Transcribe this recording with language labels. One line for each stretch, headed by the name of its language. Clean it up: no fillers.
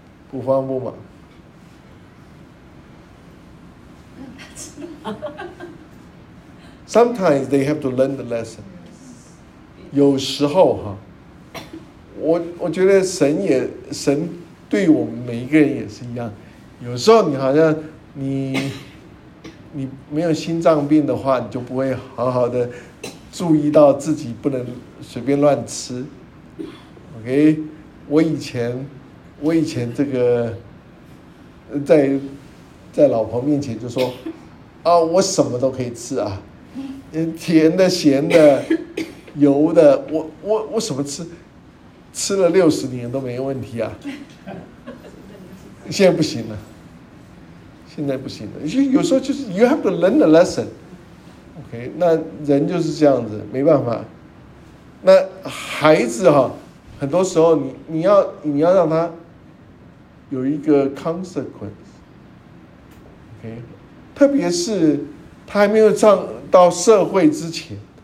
Chinese: 不慌不忙，
English: Sometimes they have to learn the lesson。
Chinese: 有时候哈，我觉得神对我们每一个人也是一样。有时候你好像你没有心脏病的话，你就不会好好的注意到自己不能随便乱吃。 OK， 我以前这个在老婆面前就说啊，我什么都可以吃啊，甜的咸的油的，我什么吃？吃了六十年都没问题啊。现在不行了，现在不行了。有时候就是
English: you have to learn the lesson。
Chinese: OK， 那人就是这样子，没办法。那孩子哈，很多时候你要让他有一个 consequence。 OK， 特别是他还没有上到社会之前。